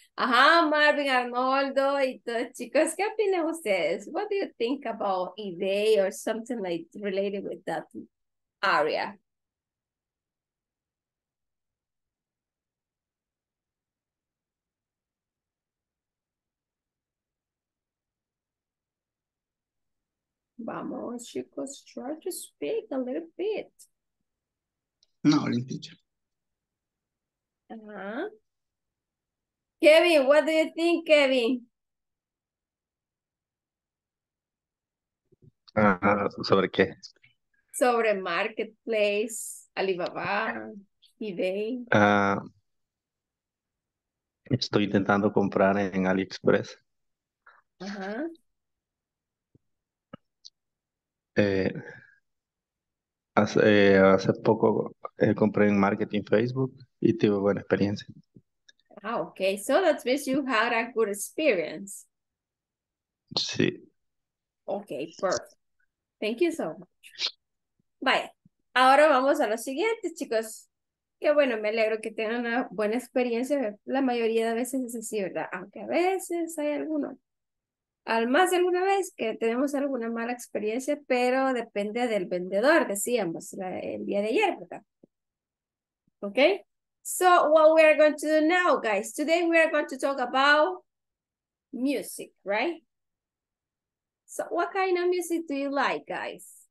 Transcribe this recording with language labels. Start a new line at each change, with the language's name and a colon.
Spanish: Ajá, Marvin, Arnoldo, y todos chicos, ¿qué opinan ustedes?
English: What do you think about eBay or something like related with that area?
Spanish: Vamos, chicos,
English: try to speak a little bit. No, teacher. Uh-huh. Kevin, what do you think, Kevin?
Spanish: ¿Sobre qué? Sobre Marketplace, Alibaba, eBay. Estoy intentando comprar en AliExpress. Uh-huh. Hace poco compré en marketing Facebook y tuve buena experiencia.
English: Ah, okay. So that means you had a good experience.
Spanish: Sí.
English: Okay, perfect. Thank you so much. Vaya.
Spanish: Ahora vamos a lo siguiente, chicos. Qué bueno, me alegro que tengan una buena experiencia. La mayoría de veces es así, ¿verdad? Aunque a veces hay alguno. Al más de alguna vez que tenemos alguna mala experiencia, pero depende del vendedor, decíamos el día de ayer, ¿verdad?
English: Okay. So what we are going to do now, guys? Today we are going to talk about music, right? So what kind of music do you like, guys?